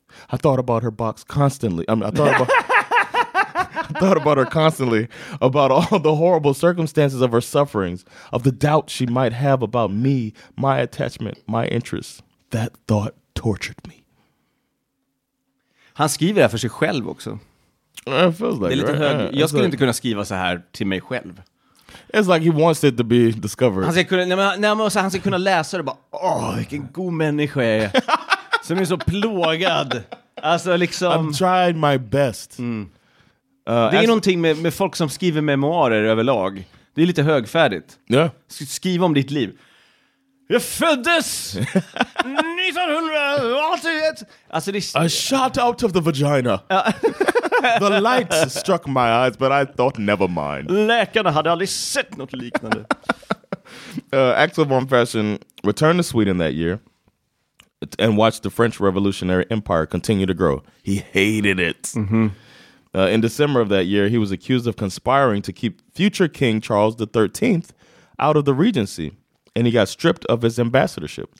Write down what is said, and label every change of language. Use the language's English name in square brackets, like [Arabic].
[English] I thought about her box constantly. Thought about her constantly, about all the horrible circumstances of her sufferings, of the doubt she might have about me, my attachment, my interests. That thought tortured me. [Swedish] Han skriver det här för sig själv också. [English] It feels like, [Swedish] det är lite [English] right? [Swedish] Hög. Jag skulle inte kunna skriva så här till mig själv. [English] It's like he wants it to be discovered. [Swedish] Han ska kunna läsa det bara, åh, vilken god människa jag är. Som är så plågad. Alltså liksom. [English] I've tried my best. Mm. [Swedish] Det är någonting med folk som skriver memoarer överlag. Det är lite högfärdigt. [English] Yeah. [Swedish] Skriv om ditt liv. Jag föddes 1981. Alltså det [English] I shot out of the vagina. The light struck my eyes, but I thought never mind. [Swedish] Läkarna hade aldrig sett något liknande. [English] Axel von Fersen returned to Sweden that year and watched the French Revolutionary Empire continue to grow. He hated it. Mm-hmm. In December of that year, he was accused of conspiring to keep future King Charles XIII out of the regency, and he got stripped of his ambassadorship.